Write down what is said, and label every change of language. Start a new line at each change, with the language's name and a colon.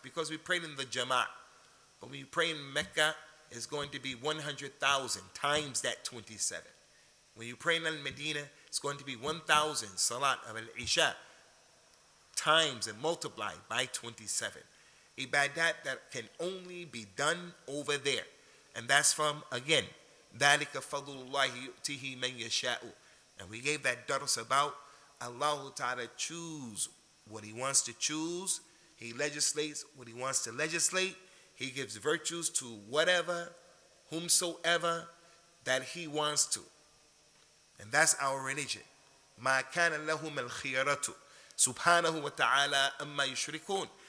English: Because we prayed in the Jama'at. But when you pray in Mecca, it's going to be 100,000 times that 27. When you pray in Al-Medina, it's going to be 1,000 Salat of Al-Isha times and multiplied by 27. Ibadat that can only be done over there.
Arabic: And that's from, again, ذَلِكَ فَضُلُ اللَّهِ يُؤْتِهِ مَنْ يَشَاءُ.
English: And we gave that darus about Allah Ta'ala choose what he wants to choose. He legislates what he wants to legislate. He gives virtues to whatever, whomsoever, that he wants to.
Arabic: And that's our religion. مَا كَانَ لَهُمَ الْخِيَرَةُ سُبْحَانَهُ وَتَعَالَىٰ أَمَّا يُشْرِكُونَ.